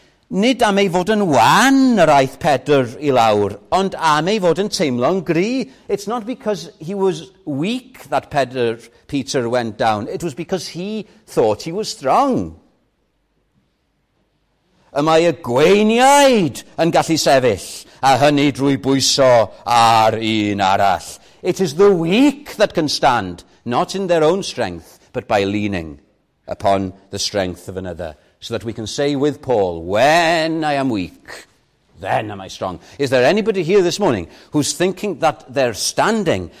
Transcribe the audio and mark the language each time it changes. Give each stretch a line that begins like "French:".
Welsh: Nid am ei fod yn wan yr aeth Pedr i lawr, ond am ei fod yn teimlo'n gry.
English: It's not because he was weak that Peter went down. It was because he thought he was strong.
Welsh: Y mae y gweiniaid yn gallu sefyll, a hynny drwy bwyso ar un arall.
English: It is the weak that can stand, not in their own strength, but by leaning upon the strength of another. So that we can say with Paul, when I am weak, then am I strong. Is there anybody here this morning who's thinking that they're standing?